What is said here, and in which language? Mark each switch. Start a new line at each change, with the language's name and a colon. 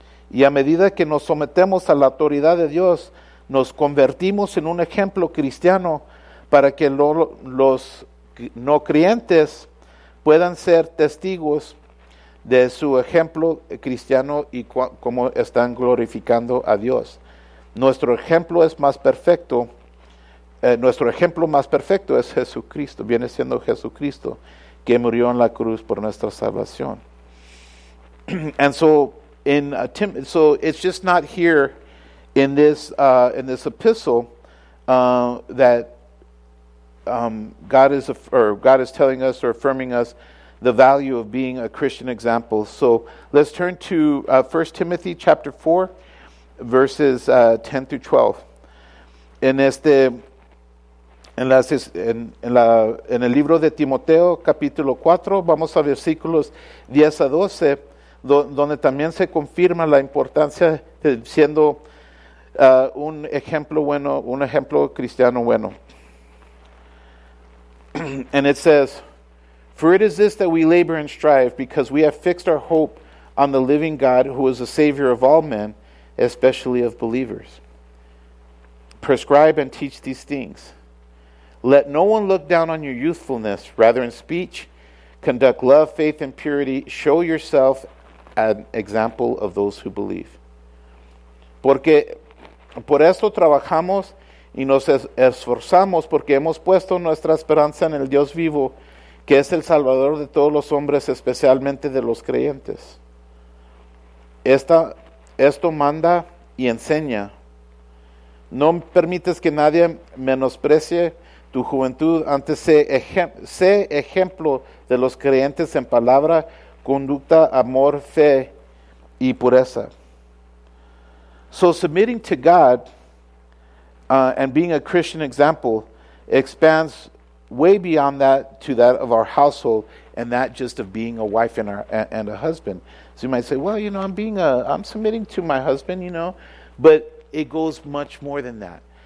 Spanish: Y a medida que nos sometemos a la autoridad de Dios, nos convertimos en un ejemplo cristiano para que los no creyentes puedan ser testigos de su ejemplo cristiano y cómo están glorificando a Dios. Nuestro ejemplo es más perfecto. Nuestro ejemplo más perfecto es Jesucristo. Viene siendo Jesucristo, que murió en la cruz por nuestra salvación.
English: And so, so it's just not here in this epistle that God is God is telling us or affirming us the value of being a Christian example. So let's turn to 1 Timothy chapter 4, verses 10 through 12.
Spanish: En el libro de Timoteo capítulo 4, vamos a versículos 10 a 12. Donde también se confirma la importancia de siendo un ejemplo bueno, un ejemplo cristiano bueno.
English: And it says, "For it is this that we labor and strive, because we have fixed our hope on the living God, who is the Savior of all men, especially of believers. Prescribe and teach these things. Let no one look down on your youthfulness, rather in speech, conduct love, faith, and purity, show yourself an example of those who believe.
Spanish: Porque por esto trabajamos y nos esforzamos, porque hemos puesto nuestra esperanza en el Dios vivo, que es el Salvador de todos los hombres, especialmente de los creyentes. Esto manda y enseña. No permites que nadie menosprecie tu juventud, antes sé ejemplo de los creyentes en palabra, conducta, amor, fe, y pureza."
English: So submitting to God and being a Christian example expands way beyond that to that of our household, and that just of being a wife and a husband. So you might say, "Well, you know, I'm submitting to my husband, you know," but it goes much more than that.